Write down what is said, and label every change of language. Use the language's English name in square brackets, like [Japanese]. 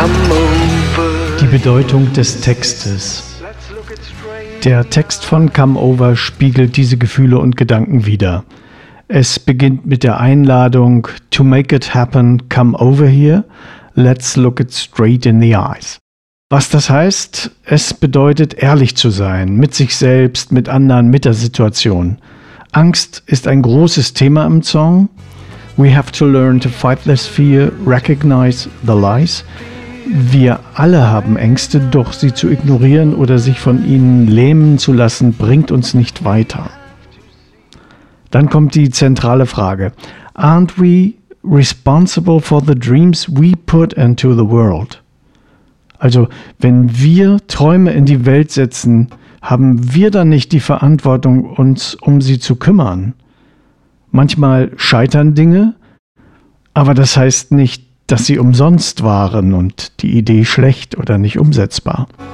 [German] Die Bedeutung des Textes. Der Text von Come Over spiegelt diese Gefühle und Gedanken wider. Es beginnt mit der Einladung [English] To make it happen, come over here. Let's look it straight in the eyes. [German] Was das heißt, es bedeutet, ehrlich zu sein, mit sich selbst, mit anderen, mit der Situation. Angst ist ein großes Thema im Song. [English] We have to learn to fight this fear, recognize the lies. [German] Wir alle haben Ängste, doch sie zu ignorieren oder sich von ihnen lähmen zu lassen, bringt uns nicht weiter. Dann kommt die zentrale Frage. [English] Aren't we responsible for the dreams we put into the world? [German] Also, wenn wir Träume in die Welt setzen, haben wir dann nicht die Verantwortung, uns um sie zu kümmern? Manchmal scheitern Dinge, aber das heißt nicht, dass sie umsonst waren und die Idee schlecht oder nicht umsetzbar.